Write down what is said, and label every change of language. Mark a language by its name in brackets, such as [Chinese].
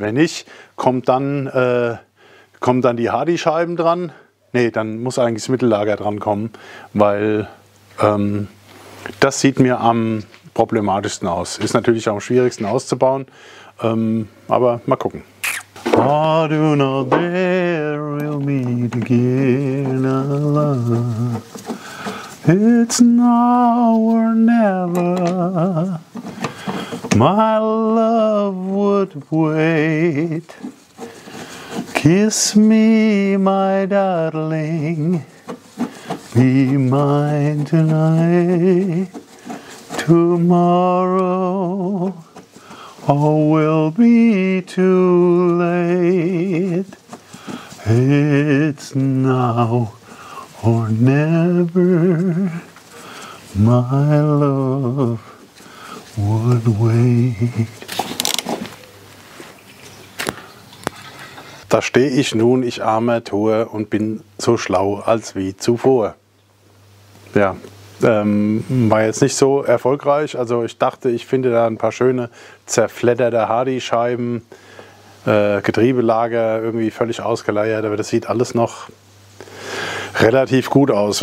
[German] Wenn nicht, kommen dann die Hardy-Scheiben dran. Nee, dann muss eigentlich das Mittellager dran kommen, weil das sieht mir am problematischsten aus. Ist natürlich auch am schwierigsten auszubauen, aber mal gucken. [English] I do not dare we'll meet again alone. It's now or never. My love would wait. Kiss me, my darling. Be mine tonight. Tomorrow, oh, will be too late. It's now or never, my love would wait. [German] Da stehe ich nun, ich armer Tor, und bin so schlau als wie zuvor. Ja, war jetzt nicht so erfolgreich. Also ich dachte, ich finde da ein paar schöne zerfledderte Hardy-Scheiben, Getriebelager irgendwie völlig ausgeleiert, aber das sieht alles noch relativ gut aus.